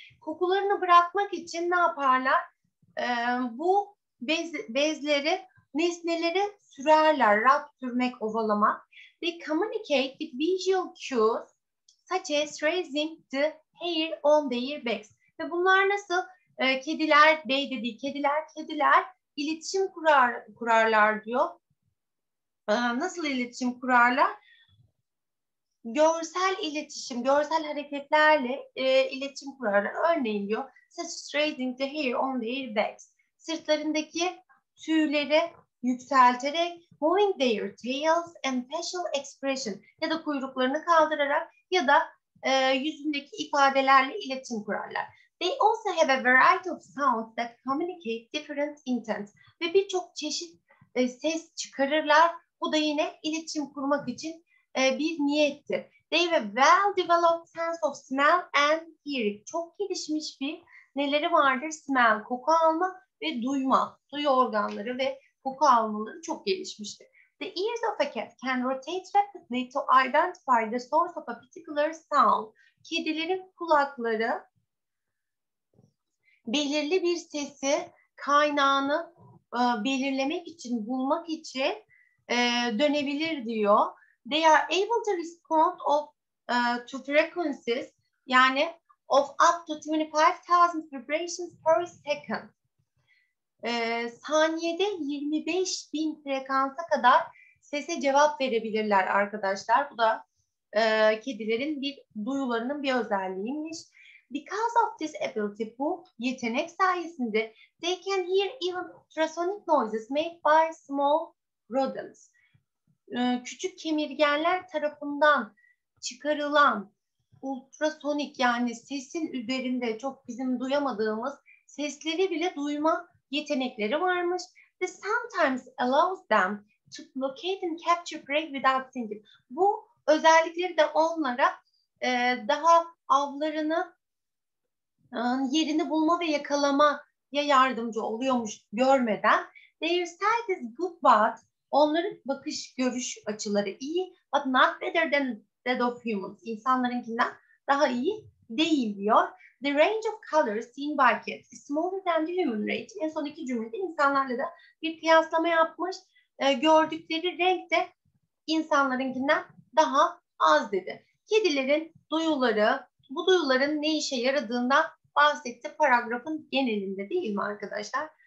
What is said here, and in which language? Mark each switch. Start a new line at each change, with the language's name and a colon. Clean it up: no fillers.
Turkish: Kokularını bırakmak için ne yaparlar? Bu bezleri, nesneleri sürerler. Rub, sürmek, ovalamak.
English: They communicate with visual cues such as raising the hair on their backs.
Turkish: Ve bunlar nasıl? Kediler, bey dediği kediler, kediler iletişim kurarlar diyor. Nasıl iletişim kurarlar? Görsel iletişim, görsel hareketlerle iletişim kurarlar. Örneğin diyor,
English: such as raising the hair on their backs.
Turkish: Sırtlarındaki tüyleri yükselterek,
English: moving their tails and facial expression.
Turkish: Ya da kuyruklarını kaldırarak ya da yüzündeki ifadelerle iletişim kurarlar.
English: They also have a variety of sounds that communicate different intents.
Turkish: Ve birçok çeşit ses çıkarırlar. Bu da yine iletişim kurmak için bir niyetti.
English: They have a well-developed sense of smell and hearing.
Turkish: Çok gelişmiş bir neleri vardır? Smell, koku alma ve duyma. Duyu organları ve koku almaları çok gelişmiştir.
English: The ears of a cat can rotate rapidly to identify the source of a particular sound.
Turkish: Kedilerin kulakları belirli bir sesi, kaynağını belirlemek için, bulmak için dönebilir diyor.
English: They are able to respond to frequencies, yani of up to 25,000 vibrations per second.
Turkish: Saniyede 25,000 frekansa kadar sese cevap verebilirler arkadaşlar. Bu da kedilerin bir duyularının bir özelliğiymiş.
English: Because of this ability,
Turkish: bu yetenek sayesinde
English: they can hear even ultrasonic noises made by small rodents.
Turkish: Küçük kemirgenler tarafından çıkarılan ultrasonik, yani sesin üzerinde çok bizim duyamadığımız sesleri bile duyma yetenekleri varmış.
English: This sometimes allows them to locate and capture prey without thinking.
Turkish: Bu özellikleri de onlara daha avlarını yerini bulma ve yakalamaya yardımcı oluyormuş görmeden.
English: Their sight is good but
Turkish: onların bakış, görüş açıları iyi,
English: but not better than that of humans.
Turkish: İnsanlarınkinden daha iyi değil diyor. The range of colors seen by cats is smaller than the human range. En son iki cümlede insanlarla da bir kıyaslama yapmış. Gördükleri renk de insanlarınkinden daha az dedi. Kedilerin duyuları, bu duyuların ne işe yaradığından bahsetti paragrafın genelinde, değil mi arkadaşlar?